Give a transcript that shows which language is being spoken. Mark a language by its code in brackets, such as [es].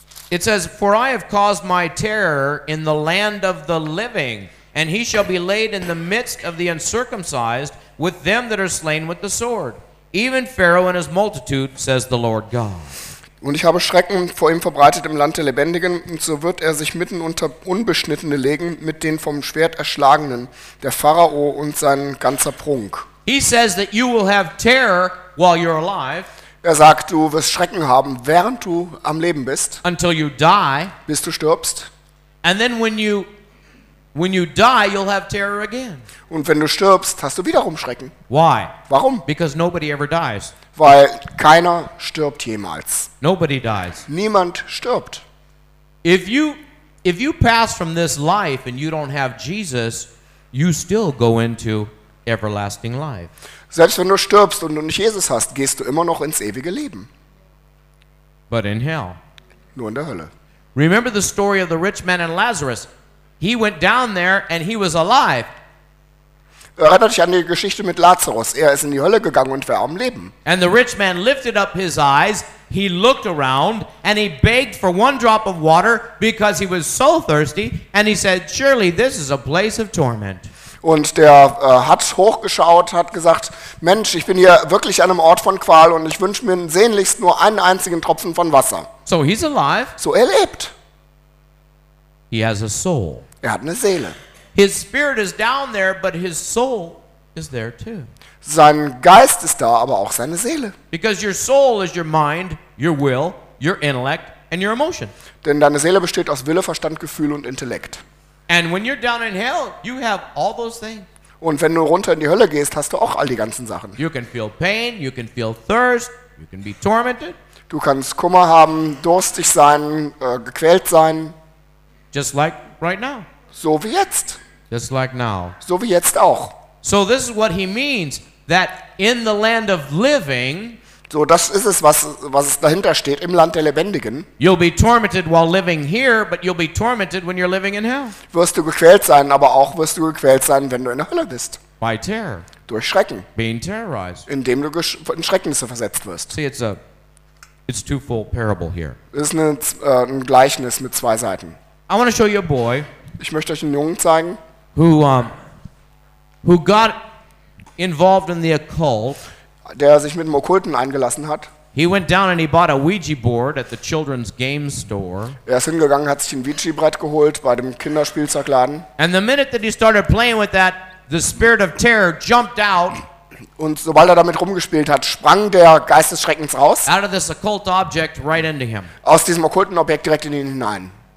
[en] It says, "For I have caused my terror in the land of the living." And he shall be laid in the midst of the uncircumcised with them that are slain with the sword. Even Pharaoh and his multitude, says the Lord God. [de] Und ich habe Schrecken vor ihm verbreitet im Land der Lebendigen, und so wird er sich mitten unter Unbeschnittene legen mit den vom Schwert Erschlagenen, der Pharao und sein ganzer Prunk. [en] He says that you will have terror while you're alive. [de] Er sagt, du wirst Schrecken haben, während du am Leben bist. [en] Until you die. [de] Bis du stirbst. [en] And then when you die, you'll have terror again. [de] Und wenn du stirbst, hast du wiederum Schrecken. [en] Why? [de] Warum? [en] Because nobody ever dies. [de] Weil keiner stirbt jemals. [en] Nobody dies. [de] Niemand stirbt. [en] If you pass from this life and you don't have Jesus, you still go into everlasting life. [de] Selbst wenn du stirbst und du nicht Jesus hast, gehst du immer noch ins ewige Leben. [en] But in hell. [de] Nur in der Hölle. [en] Remember the story of the rich man and Lazarus. He went down there and he was alive. [de] Erinnert euch an die Geschichte mit Lazarus. Er ist in die Hölle gegangen und war am Leben. [en] And the rich man lifted up his eyes, he looked around and he begged for one drop of water because he was so thirsty and he said, surely this is a place of torment. [de] Und der hat hochgeschaut, hat gesagt, Mensch, ich bin hier wirklich an einem Ort von Qual und ich wünsche mir sehnlichst nur einen einzigen Tropfen von Wasser. [en] So he's alive. [de] So er lebt. [en] He has a soul. [de] Er hat eine Seele. [en] His spirit is down there, but his soul is there too. [de] Sein Geist ist da, aber auch seine Seele. [en] Because your soul is your mind, your will, your intellect, and your emotion. [de] Denn deine Seele besteht aus Wille, Verstand, Gefühl und Intellekt. [en] And when you're down in hell, you have all those things. [de] Und wenn du runter in die Hölle gehst, hast du auch all die ganzen Sachen. [en] You can feel pain, you can feel thirst, you can be tormented. [de] Du kannst Kummer haben, durstig sein, gequält sein. [en] Just like right now. [de] So wie jetzt. [en] Just like now. [de] So wie jetzt auch. [en] So this is what he means, that in the land of living. [de] So das ist es, was dahinter steht, im Land der Lebendigen. [en] You'll be tormented while living here, but you'll be tormented when you're living in hell. [de] Wirst du gequält sein, aber auch wirst du gequält sein, wenn du in der Hölle bist. [en] By terror. [de] Durch Schrecken. [en] Being terrorized. [de] Indem du in Schrecknisse versetzt wirst. [en] See, it's a twofold parable here. [de] Es ist ein Gleichnis mit zwei Seiten. [en] I want to show you a boy. [de] Ich möchte euch einen Jungen zeigen. [en] Who got involved in the occult. [de] Der sich mit dem Okkulten eingelassen hat. [en] He went down and he bought a Ouija board at the children's game store. [de] Er ist hingegangen, hat sich ein Ouija-Brett geholt bei dem Kinderspielzeugladen. [en] And the minute that he started playing with that, the spirit of terror jumped out. [de] Und sobald er damit rumgespielt hat, sprang der Geist des Schreckens raus. [en] Out of this occult object right into him. [de] Aus diesem okkulten Objekt direkt in ihn hinein.